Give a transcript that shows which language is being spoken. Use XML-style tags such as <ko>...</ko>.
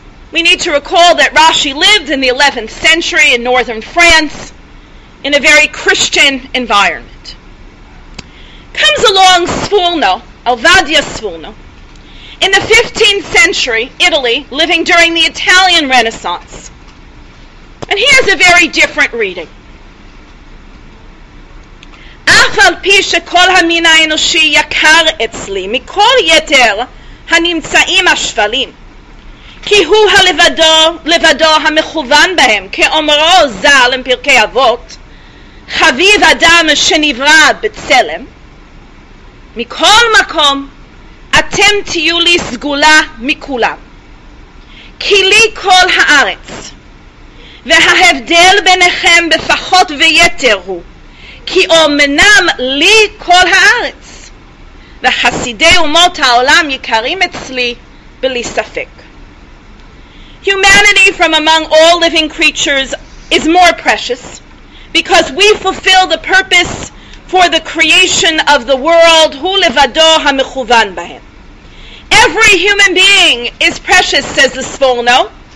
<en>We need to recall that Rashi lived in the 11th century in northern France, in a very Christian environment. Comes along Sfulno, Alvadia Sfulno, in the 15th century, Italy, living during the Italian Renaissance. And he has a very different reading.</en> <he>אף על פי שכל המין האנושי יקר אצלי מכל יתר הנמצאים השפלים, כי הוא הלבדו המכוון בהם, כאומרו זל עם פרקי אבות, חביב אדם שנברא בצלם, מכל מקום אתם תהיו לי סגולה מכולם, כי לי כל הארץ, וההבדל ביניכם בפחות ויתר הוא, כי אומנם לי כל הארץ, וחסידי אומות העולם יקרים אצלי בלי ספק.</he> <en>Humanity from among all living creatures is more precious, because we fulfill the purpose for the creation of the world,</en> <he>הוא לבדו המכוון בהם.</he> <en>Every human being is precious, says the Sfulno.</en>